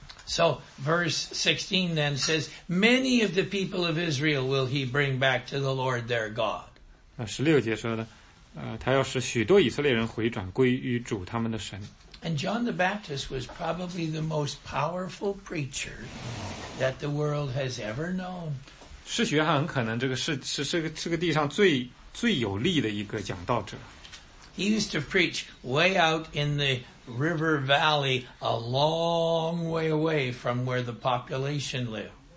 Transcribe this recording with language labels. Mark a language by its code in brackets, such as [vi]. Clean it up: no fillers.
[en] So verse 16 then says, many of the people of Israel will he bring back to the Lord their God. [zh] 16节说的，他要使许多以色列人回转归于主他们的神。 [en] And John the Baptist was probably the most powerful preacher that the world has ever known. [zh] 是约翰可能这个地上最有力的一个讲道者。 [en] He used to preach way out in the river valley, a long way away from where the population lived.